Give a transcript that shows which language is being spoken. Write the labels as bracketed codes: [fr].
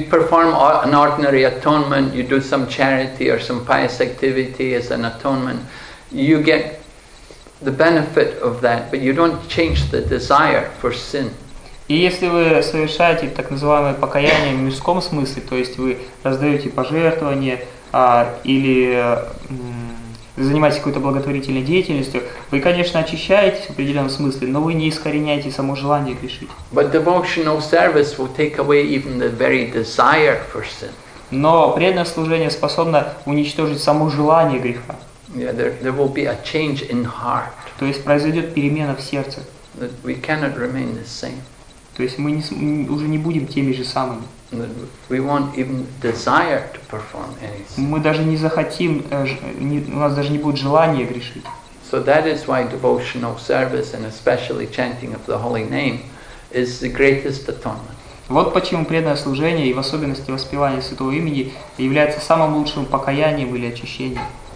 [en] You perform an ordinary atonement, you do some charity or some pious activity as an atonement, you get the benefit of that, but you don't change the desire for sin. [ru] И если вы совершаете так называемое покаяние в мирском смысле, то есть вы раздаете пожертвования, или занимаетесь какой-то благотворительной деятельностью, вы, конечно, очищаетесь в определенном смысле, но вы не искореняете само желание грешить. [en] But devotional service will take away even the very desire for sin. [ru] Но преданное служение способно уничтожить само желание греха. [en] Yeah, there will be a change in heart. [ru] То есть произойдет перемена в сердце. [en] That we cannot remain the same. [ru] То есть мы уже не будем теми же самыми. [en] We won't even desire to perform anything. [ru] Мы даже не захотим, у нас даже не будет желания грешить. [en] So that is why devotional service and especially chanting of the holy name is the greatest atonement. [ru] Вот почему преданное служение и в особенности воспевание святого имени является самым лучшим покаянием или очищением.